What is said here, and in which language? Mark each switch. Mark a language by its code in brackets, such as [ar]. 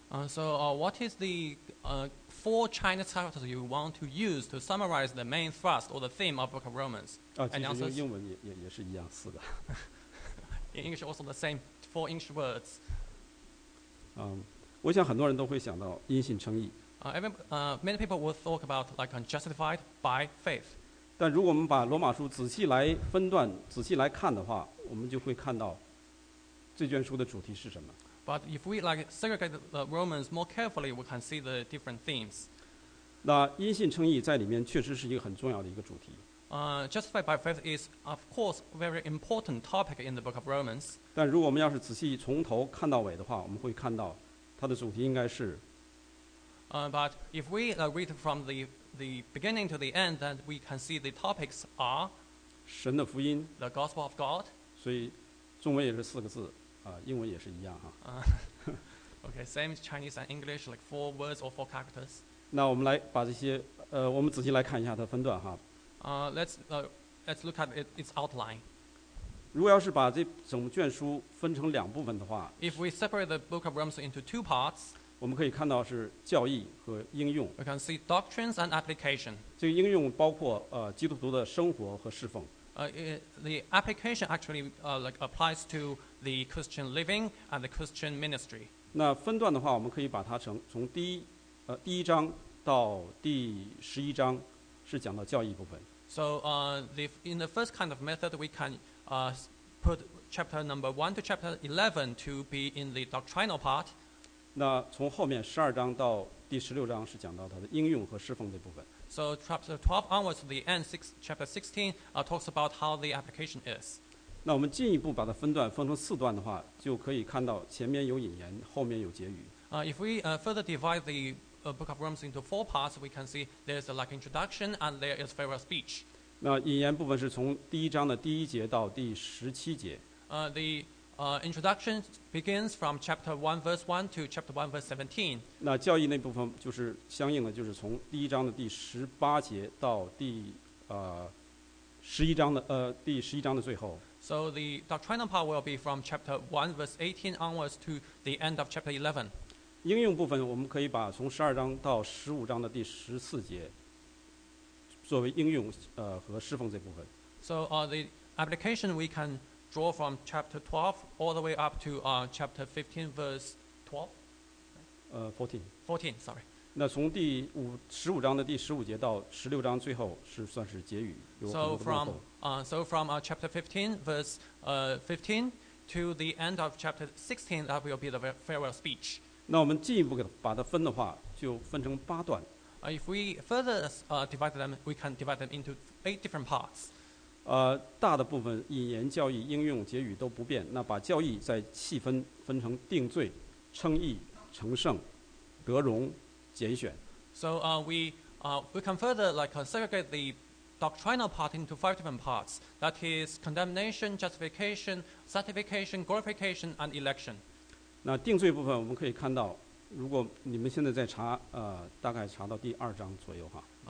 [en] What is the four Chinese characters you want to use to summarize the main thrust or the theme of the book of Romans? [zh] 其实用英文也是一样，四个。 [en] In English also the same, four English words. [zh] 我想很多人都会想到因信称义。 [en] Many people will talk about like justified by faith. [zh] 但如果我们把罗马书仔细来分段，仔细来看的话，我们就会看到这卷书的主题是什么。 [en] But if we like segregate the Romans more carefully, we can see the different themes. [zh] 那因信称义在里面确实是一个很重要的一个主题。 [en] Justified by faith is, of course, a very important topic in the book of Romans. [zh] 但如果我们要是仔细从头看到尾的话，我们会看到它的主题应该是。 [en] But if we read from the beginning to the end, then we can see the topics are [zh] 神的福音 [en] the gospel of God. [zh] 所以中文也是四个字啊，英文也是一样哈。 [en] Okay, same Chinese and English, like four words or four characters. [zh] 那我们来把这些我们仔细来看一下它分段哈。 [en] Let's look at its outline. [zh] 如果要是把这整卷书分成两部分的话 [en] ，If we separate the Book of Romans into two parts. [zh] 我们可以看到是教义和应用。 [en] We can see doctrines and application. [zh] 这个应用包括基督徒的生活和侍奉。 [en] The application actually like applies to the Christian living and the Christian ministry. [zh] 那分段的话，我们可以把它成从第一章到第十一章是讲到教义部分。 [en] So in the first kind of method, we can put chapter number 1 to chapter 11 to be in the doctrinal part. [zh] 那从后面12章到第16章是讲到它的应用和侍奉的部分。 [en] So chapter 12 onwards to the end, chapter 16 talks about how the application is. [zh] 那我们进一步把它分段分成四段的话，就可以看到前面有引言，后面有结语。 [en] If we further divide the Book of Romans into four parts, we can see there's a like introduction and there is farewell speech. [zh] 那引言部分是从第一章的第一节到第十七节。 [en] Introduction begins from chapter 1 verse 1 to chapter 1 verse 17. [zh] 那教义那部分就是相应的，就是从第一章的第十八节到第十一章的第十一章的最后。 [en] So the doctrinal part will be from chapter 1 verse 18 onwards to the end of chapter 11. [zh] 应用部分我们可以把从十二章到十五章的第十四节作为应用和侍奉这部分。 [en] So the application we can draw from chapter 12 all the way up to chapter 15 verse 12. 14. Sorry. [zh] 那从第五十五章的第十五节到十六章最后是算是结语。 [en] So from chapter 15 verse 15 to the end of chapter 16, that will be the farewell speech. [zh] 那我们进一步把它分的话，就分成八段。 [en] If we further divide them, we can divide them into eight different parts. [zh] 大的部分引言、教义、应用、结语都不变。那把教义再细分，分成定罪、称义、成圣、得荣、拣选。 [en] So we can further segregate the doctrinal part into five different parts. That is condemnation, justification, sanctification, glorification, and election. [zh] 那定罪部分我们可以看到，如果你们现在在查，大概查到第二章左右哈。